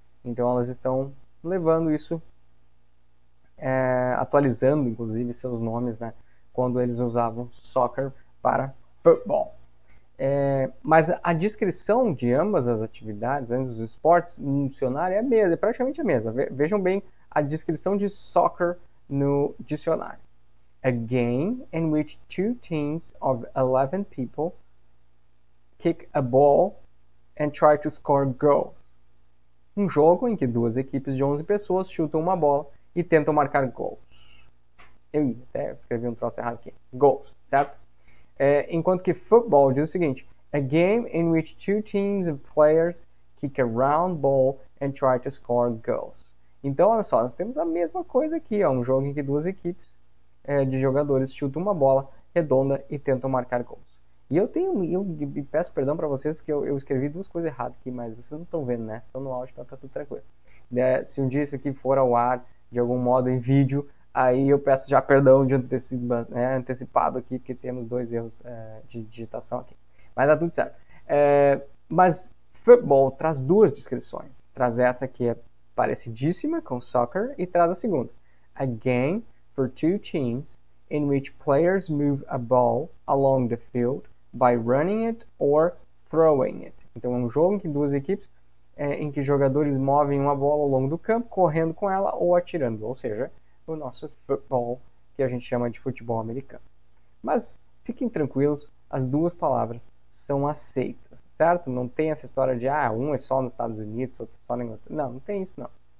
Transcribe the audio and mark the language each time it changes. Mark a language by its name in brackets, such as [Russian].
[Portuguese] Então elas estão levando isso, atualizando inclusive seus nomes, né, quando eles usavam soccer para football. Mas a descrição de ambas as atividades, ambos os esportes, no dicionário é a mesma, é praticamente a mesma. Vejam bem a descrição de soccer no dicionário. [English] A game in which two teams of 11 people kick a ball and try to score goals. [Portuguese] Um jogo em que duas equipes de 11 pessoas chutam uma bola e tentam marcar gols. Eu até escrevi um troço errado aqui. Gols, certo? Enquanto que futebol diz o seguinte: [English] a game in which two teams of players kick a round ball and try to score goals. [Portuguese] Então, olha só, nós temos a mesma coisa aqui, ó, um jogo em que duas equipes de jogadores chutam uma bola redonda e tentam marcar gols. E eu peço perdão para vocês porque eu escrevi duas coisas erradas aqui, mas vocês não estão vendo, né? Estão no áudio, tá tudo tranquilo. Se um dia isso aqui for ao ar de algum modo em vídeo, aí eu peço já perdão de antecipado aqui, porque temos dois erros de digitação aqui. Mas tá tudo certo. Mas futebol traz duas descrições. Traz essa que é parecidíssima com soccer e traz a segunda. [English] A game for two teams in which players move a ball along the field by running it or throwing it. [Portuguese] Então é um jogo em que duas equipes em que jogadores movem uma bola ao longo do campo, correndo com ela ou atirando, ou seja, o nosso futebol, que a gente chama de futebol americano. Mas fiquem tranquilos, as duas palavras são aceitas, certo? Não tem essa história de, ah, um é só nos Estados Unidos, outro é só na Inglaterra. Não, não tem isso, não.